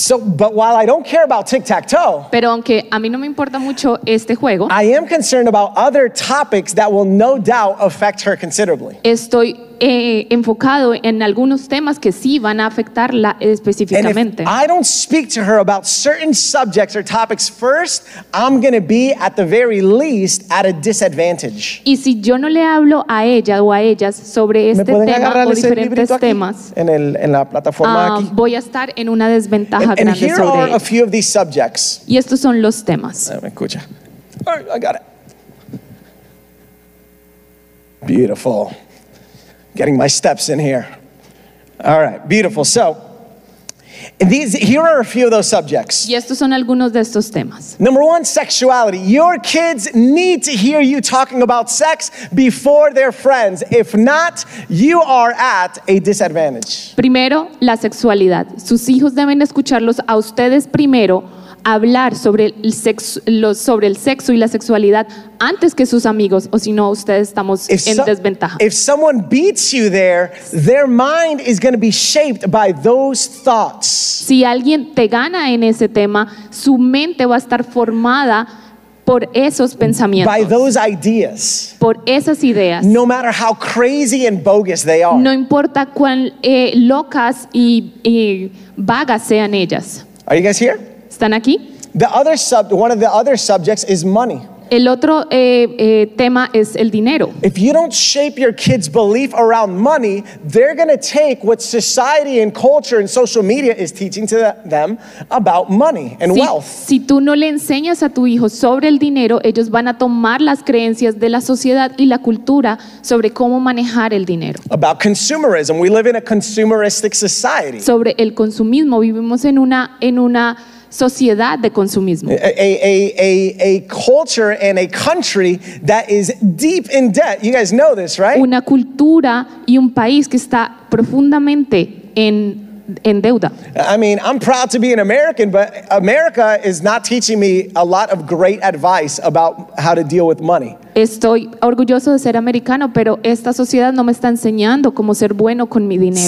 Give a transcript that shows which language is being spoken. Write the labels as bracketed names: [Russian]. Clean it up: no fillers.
[English] So, but while I don't care about tic-tac-toe, [Spanish] pero aunque a mí no me importa mucho este juego, [English] I am concerned about other topics that will no doubt affect her considerably. [Spanish] Estoy enfocado en algunos temas que sí van a afectarla específicamente. [English] And if I don't speak to her about certain subjects or topics first, I'm going to be at the very least at a disadvantage. [Spanish] Y si yo no le hablo a ella o a ellas sobre este tema o diferentes temas, en la plataforma aquí, voy a estar en una desventaja [English] and [Spanish] grande sobre ella. [English] And here are a few of these subjects. [Spanish] Y estos son los temas. Escucha. [English] All right, I got it. Beautiful. Getting my steps in here. All right, beautiful. So, here are a few of those subjects. [Spanish] Y estos son algunos de estos temas. [English] Number one, sexuality. Your kids need to hear you talking about sex before their friends. If not, you are at a disadvantage. [Spanish] Primero, la sexualidad. Sus hijos deben escucharlos a ustedes primero hablar sobre el sexo y la sexualidad antes que sus amigos, o si no, ustedes estamos en desventaja. [English] If someone beats you there, their mind is going to be shaped by those thoughts. [Spanish] Si alguien te gana en ese tema, su mente va a estar formada por esos pensamientos, [English] by those ideas, [Spanish] por esas ideas, [English] no matter how crazy and bogus they are. [Spanish] No importa cuán locas y vagas sean ellas. [English] Are you guys here? [Spanish] ¿Están aquí? [English] One of the other subjects is money. [Spanish] El otro tema es el dinero. [English] If you don't shape your kids' belief around money, they're going to take what society and culture and social media is teaching to them about money and wealth. [Spanish] Si tú no le enseñas a tu hijo sobre el dinero, ellos van a tomar las creencias de la sociedad y la cultura sobre cómo manejar el dinero. [English] About consumerism. We live in a consumeristic society. [Spanish] Sobre el consumismo. Vivimos en una sociedad de consumismo. [English] A culture and a country that is deep in debt. You guys know this, right? [Spanish] Una cultura y un país que está profundamente en deuda. [English] I mean, I'm proud to be an American, but America is not teaching me a lot of great advice about how to deal with money. [Spanish] Estoy orgulloso de ser americano, pero esta sociedad no me está enseñando cómo ser bueno con mi dinero.